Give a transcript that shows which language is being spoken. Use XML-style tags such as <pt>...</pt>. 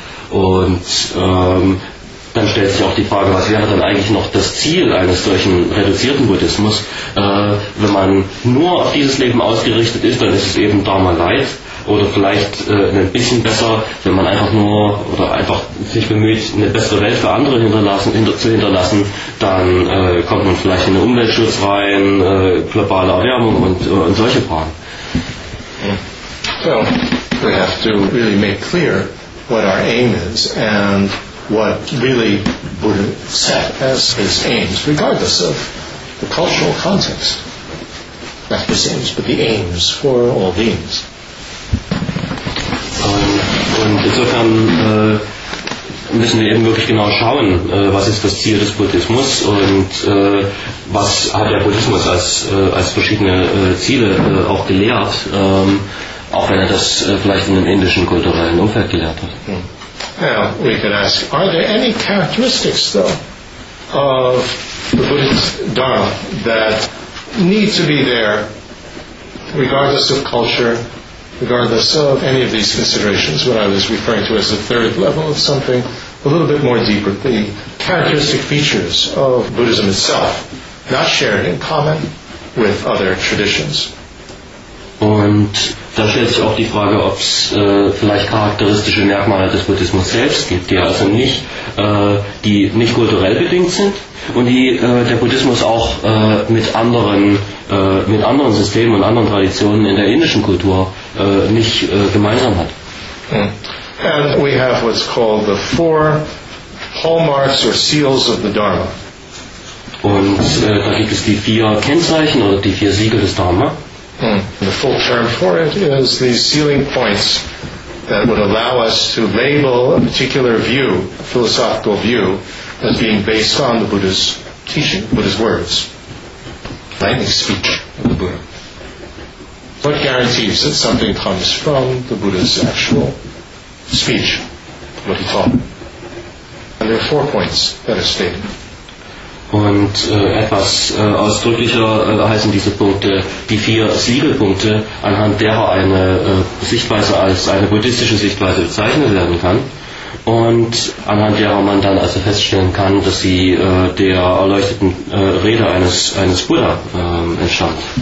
<de>Und dann stellt sich auch die Frage, was wäre dann eigentlich noch das Ziel eines solchen reduzierten Buddhismus? Wenn man nur auf dieses Leben ausgerichtet ist, dann ist es eben Dharma Light. oder vielleicht ein bisschen besser, wenn man einfach nur oder einfach sich bemüht, eine bessere Welt für andere zu hinterlassen, dann kommt man vielleicht in den Umweltschutz rein, globale Erwärmung und solche Fragen.</de> <en>Well, we have to really make clear what our aim is and what really Buddha set as his aims, regardless of the cultural context. Not his aims, but the aims for all beings.</en> <de>Und insofern müssen wir eben wirklich genau schauen, was ist das Ziel des Buddhismus und was hat der Buddhismus als verschiedene Ziele auch gelehrt, auch wenn er das vielleicht in einem indischen kulturellen Umfeld gelehrt hat.</de> <en>Now we could ask, are there any characteristics though of the Buddhist Dharma that need to be there regardless of culture, regardless of any of these considerations, what I was referring to as the third level of something a little bit more deeper, the characteristic features of Buddhism itself, not shared in common with other traditions.</en> <de>Und da stellt sich auch die Frage, ob es vielleicht charakteristische Merkmale des Buddhismus selbst gibt, die also nicht, die nicht kulturell bedingt sind und die der Buddhismus auch mit anderen Systemen und anderen Traditionen in der indischen Kultur nicht gemeinsam hat.</de> <en>And we have what's called the four hallmarks or seals of the Dharma.</en> <de>Und da gibt es die vier Kennzeichen oder die vier Siegel des Dharma.</de> <en>The full term for it is the sealing points that would allow us to label a particular view, a philosophical view, as being based on the Buddha's teaching, Buddha's words, lightning speech of the Buddha. What guarantees that something comes from the Buddha's actual speech, what he taught? And there are four points that are stated.</en> <de>Und etwas ausdrücklicher heißen diese Punkte die vier Siegelpunkte, anhand derer eine Sichtweise als eine buddhistische Sichtweise bezeichnet werden kann und anhand derer man dann also feststellen kann, dass sie der erleuchteten Rede eines Buddha entstammt.</de>